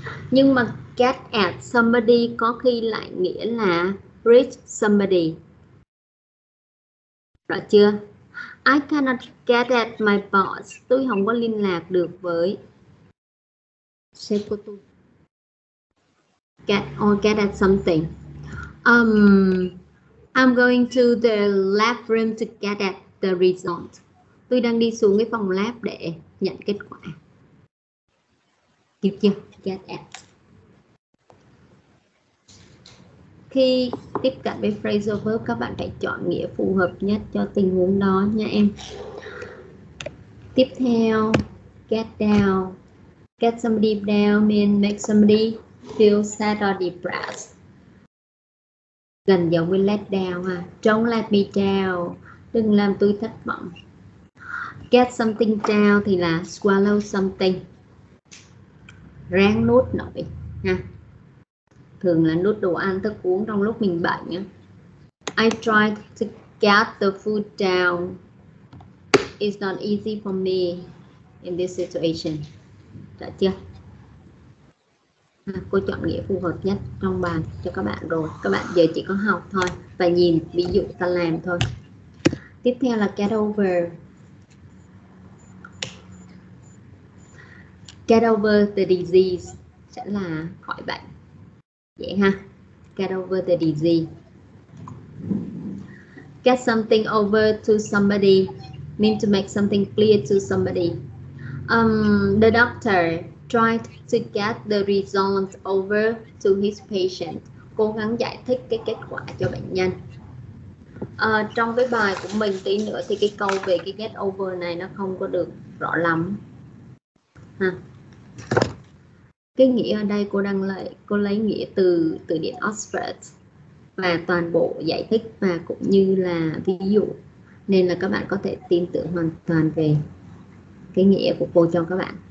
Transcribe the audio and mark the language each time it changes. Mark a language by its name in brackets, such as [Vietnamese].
[Vietnamese] Nhưng mà [English] get at somebody [Vietnamese] có khi lại nghĩa là [English] reach somebody. [Vietnamese] Rõ chưa? [English] I cannot get at my boss. [Vietnamese] Tôi không có liên lạc được với sếp của tôi. [English] Get or get at something. I'm going to the lab room to get at the result. [Vietnamese] Tôi đang đi xuống cái phòng lab để nhận kết quả. Kịp chưa? [English] Get at. [Vietnamese] Khi tiếp cận với phrasal verb, các bạn phải chọn nghĩa phù hợp nhất cho tình huống đó nha em. Tiếp theo, [English] get down. Get somebody down means make somebody feel sad or depressed. [Vietnamese] Gần giống với let down ha. [English] Don't let me down. [Vietnamese] Đừng làm tôi thất vọng. [English] Get something down thì là swallow something. [Vietnamese] Ráng nuốt nổi ha. Thường là nuốt đồ ăn thức uống trong lúc mình bệnh. [English] I try to get the food down. It's not easy for me in this situation. [Vietnamese] Đã chưa? Cô chọn nghĩa phù hợp nhất trong bài cho các bạn rồi. Các bạn giờ chỉ có học thôi và nhìn ví dụ ta làm thôi. Tiếp theo là get over. [English] Get over the disease [Vietnamese] sẽ là khỏi bệnh. Vậy ha. [English] Get over the disease. Get something over to somebody means to make something clear to somebody. The doctor tried to get the results over to his patient. [Vietnamese] Cố gắng giải thích cái kết quả cho bệnh nhân. Trong cái bài của mình tí nữa thì cái câu về cái get over này nó không có được rõ lắm. Ha. Cái nghĩa ở đây cô đang lấy, cô lấy nghĩa từ từ điển Oxford và toàn bộ giải thích và cũng như là ví dụ, nên là các bạn có thể tin tưởng hoàn toàn về cái nghĩa của cô cho các bạn.